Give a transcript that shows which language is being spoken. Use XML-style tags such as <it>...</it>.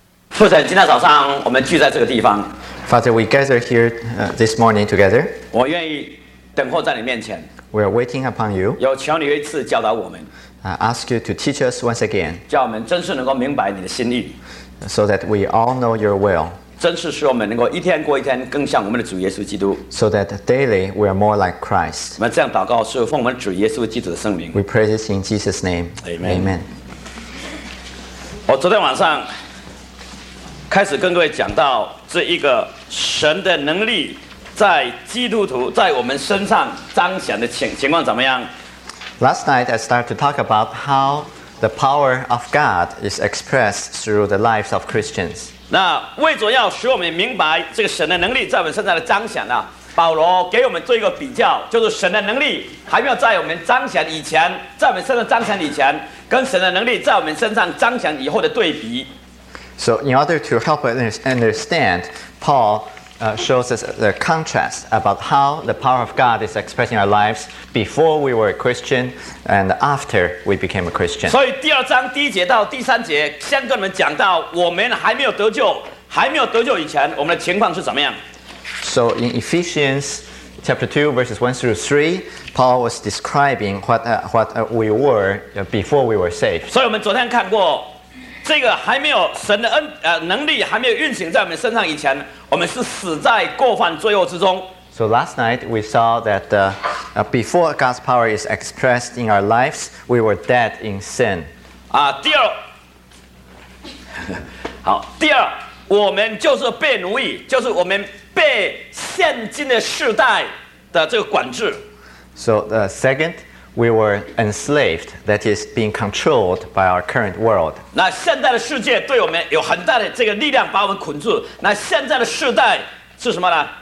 <zh>父神，今天早上我们聚在这个地方。</zh> <en>Father, we gather here this morning together.</en> <zh>我愿意等候在你面前。</zh> <en>We are waiting upon you.</en> <zh>有求你一次教导我们。</zh> <en>Ask you to teach us once again.</en> <zh>叫我们真是能够明白你的心意。</zh> <en>So that we all know your will.</en> <zh>真是使我们能够一天过一天更像我们的主耶稣基督。</zh> <en>So that daily we are more like Christ.</en> <zh>我们这样祷告是奉我们主耶稣基督的圣名。</zh> <en>We pray this in Jesus' name. Amen. Amen.</en> <zh>我昨天晚上开始跟各位讲到这一个神的能力在基督徒在我们身上彰显的情况怎么样。</zh> <en>Last night I started to talk about how the power of God is expressed through the lives of Christians.</en> <zh>那为着要使我们明白这个神的能力在我们身上的彰显呢，保罗给我们做一个比较，就是神的能力还没有在我们彰显以前，在我们身上彰显以前，跟神的能力在我们身上彰显以后的对比。</zh> <en>So in order to help us understand, Paul shows us the contrast about how the power of God is expressing our lives before we were a Christian and after we became a Christian.</en> <zh>所以第二章第一节到第三节先跟我们讲到我们还没有得救以前我们的情况是怎么样。</zh> <en>So in Ephesians chapter 2 verses 1 through 3, Paul was describing what we were before we were saved.</en> <zh>所以我们昨天看过这个还没有神的能力还没有运行在我们身上以前，我们是死在过犯罪恶之中。</zh> <en>So last night we saw that before God's power is expressed in our lives, we were dead in sin.</en> <zh>第二，好，第二，我们就是被奴役，就是我们被现今的世代的这个管制。</zh> <en>So the second. We were enslaved, that is, being controlled by our current world.</en> <zh>那现在的世界对我们有很大的这个力量把我们捆住。那现在的世代是什么呢？</zh>